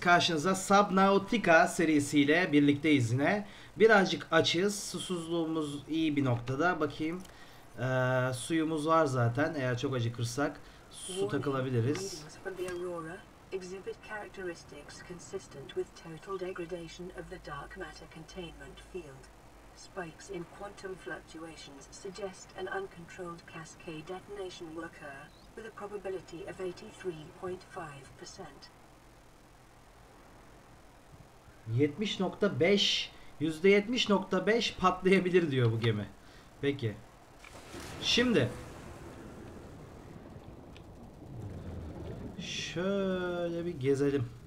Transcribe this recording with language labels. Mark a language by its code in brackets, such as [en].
[tr] Karşınıza Subnautica serisiyle birlikteyiz yine. Birazcık açız. Susuzluğumuz iyi bir noktada. Bakayım. Suyumuz var zaten. Eğer çok acıkırsak su takılabiliriz. [en] Exhibit characteristics consistent with total degradation of the dark matter containment field. Spikes in quantum fluctuations suggest an uncontrolled cascade detonation will occur with a probability of 83.5%. [tr] 70.5 %70.5 patlayabilir diyor bu gemi. Peki. Şimdi şöyle bir gezelim.